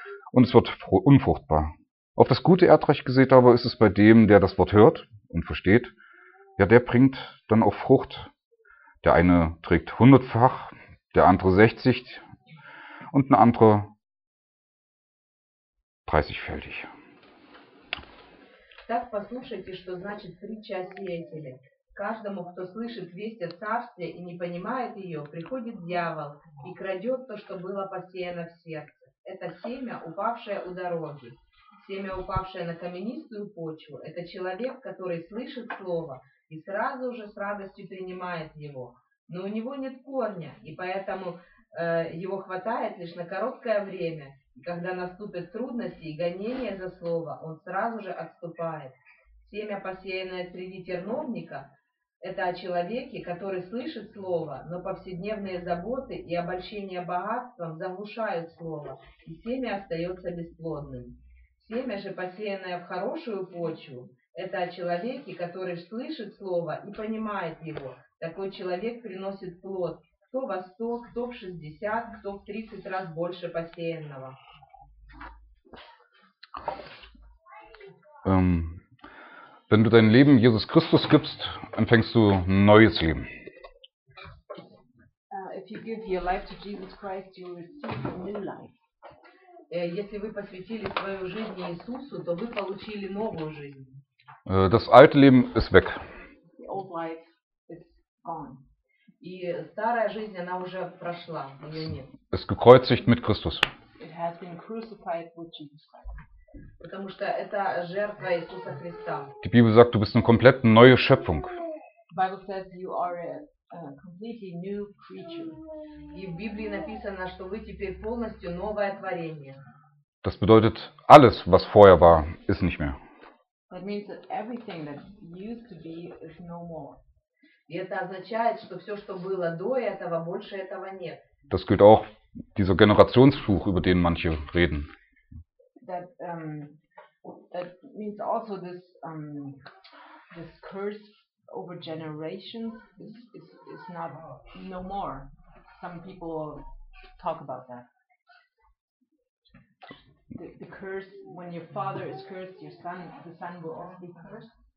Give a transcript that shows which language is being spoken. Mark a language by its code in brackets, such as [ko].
[de] Und es wird unfruchtbar. Auf das gute Erdreich gesät aber ist es bei dem, der das Wort hört und versteht. Ja, der bringt dann auch Frucht. Der eine trägt 100-fach, der andere 60 und ein anderer 30-fältig. [ru] Так послушайте, что значит притча о сеятеле. Каждому, кто слышит весть о царстве и не понимает ее, приходит дьявол и крадет то, что было посеяно в сердце. Это семя, упавшее у дороги. Семя, упавшее на каменистую почву, это человек, который слышит слово и сразу же с радостью принимает его. Но у него нет корня, и поэтому его хватает лишь на короткое время. И когда наступят трудности и гонения за слово, он сразу же отступает. Семя, посеянное среди терновника, это о человеке, который слышит слово, но повседневные заботы и обольщение богатством заглушают слово, и семя остается бесплодным. Семя же, посеянное в хорошую почву, это о человеке, который слышит слово и понимает его. Такой человек приносит плод, кто во 100, кто в 60, кто в 30 раз больше посеянного. [de] Wenn du dein Leben Jesus Christus gibst, empfängst du ein neues Leben. [en] If you give your life to Jesus Christ, you receive a new life. [ru] Если вы посвятили свою жизнь Иисусу, то вы получили новую жизнь. [de] Das alte Leben ist weg. [en] The old life is gone. [ru] И старая жизнь, она уже прошла, ее нет. [de] Ist gekreuzigt mit Christus. [en] It has been crucified with Jesus Christ. [ru] Потому что это жертва Иисуса Христа. [de] Die Bibel sagt, du bist eine komplett neue Schöpfung. [en] Bible says you are a completely new creature. [ru] И в Библии написано, что вы теперь полностью новое творение. [de] Das bedeutet, alles, was vorher war, ist nicht mehr. [en] That means that everything that used to be is no more. [ru] И это означает, что все, что было до этого, больше этого нет. [de] Das gilt auch dieser Generationsfluch, über den manche reden. [en] That that means also this this curse over generations is not no more. Some people talk about that. The curse when your father is cursed, your son, the son will also be cursed.